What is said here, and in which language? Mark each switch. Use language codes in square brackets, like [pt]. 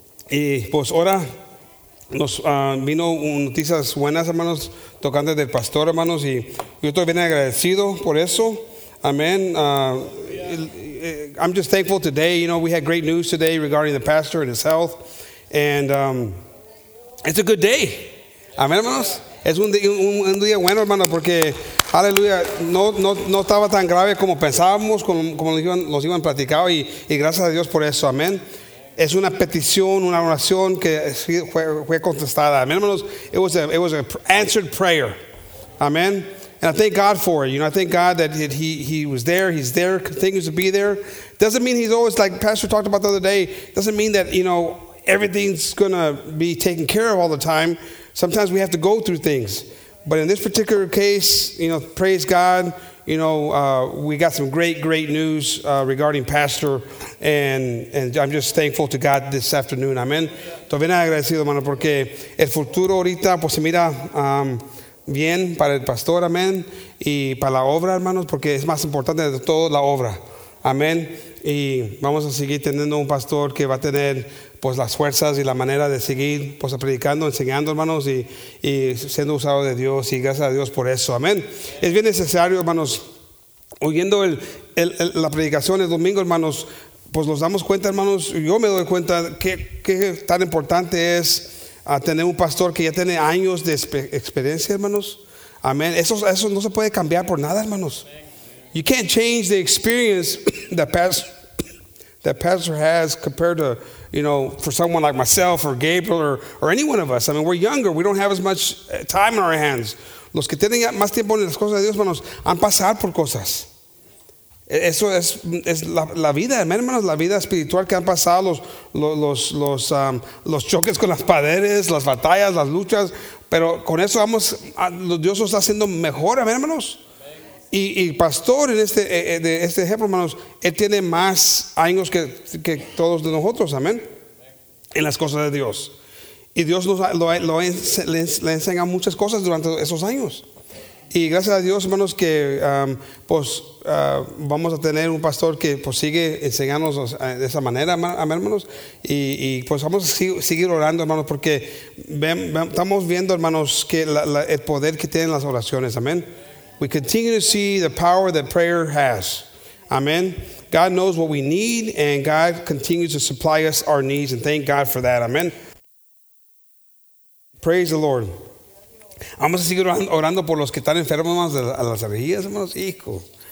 [es] Y pues ahora nos vino noticias buenas, hermanos, tocando del pastor, hermanos, y yo estoy bien agradecido por eso. [en] Amén. I'm just thankful today. You know, we had great news today regarding the pastor and his health. And it's a good day. [es] Amén, hermanos. Es un día bueno, hermanos, porque, aleluya, no estaba tan grave como pensábamos, como nos iban platicado, y gracias a Dios por eso. Amén. Es una petición, una oración que fue contestada. Amén, hermanos. [en] It was an answered prayer. Amén. And I thank God for it. You know, I thank God that he was there. He's there, continues to be there. Doesn't mean he's always, like Pastor talked about the other day, doesn't mean that, you know, everything's going to be taken care of all the time. Sometimes we have to go through things. But in this particular case, you know, praise God, you know, we got some great, great news regarding Pastor. And I'm just thankful to God this afternoon. Amen. [es] Estoy bien agradecido, hermano, porque el futuro ahorita, pues se mira bien para el pastor. Amen. Y para la obra, hermanos, porque es más importante de todo la obra. Amen. Y vamos a seguir teniendo un pastor que va a tener, pues, las fuerzas y la manera de seguir, pues, predicando, enseñando, hermanos, y siendo usado de Dios, y gracias a Dios por eso. Amén. Es bien necesario, hermanos, oyendo la predicación el domingo, hermanos, pues nos damos cuenta, hermanos, yo me doy cuenta qué tan importante es tener un pastor que ya tiene años de experiencia, hermanos. Amén. Eso no se puede cambiar por nada, hermanos. You can't change the experience that pastor has compared to, you know, for someone like myself or Gabriel or any one of us. I mean, we're younger. We don't have as much time in our hands. Los que tienen más tiempo en las cosas de Dios, hermanos, han pasado por cosas. Eso es la vida, hermanos, la vida espiritual que han pasado, los choques con las paredes, las batallas, las luchas. Pero con eso vamos, Dios nos está haciendo mejor, hermanos. Y pastor, en este ejemplo, hermanos, él tiene más años que todos de nosotros, amén, en las cosas de Dios. Y Dios le enseña muchas cosas durante esos años. Y gracias a Dios, hermanos, que vamos a tener un pastor que, pues, sigue enseñándonos de esa manera, amén, hermanos. Y pues vamos a seguir orando, hermanos, porque estamos viendo, hermanos, que el poder que tienen las oraciones, amén. [en] We continue to see the power that prayer has. Amen. God knows what we need, and God continues to supply us our needs, and thank God for that. Amen. Praise the Lord. [es] Vamos a seguir orando por los que están enfermos de las alergias, hermanos. Hijo.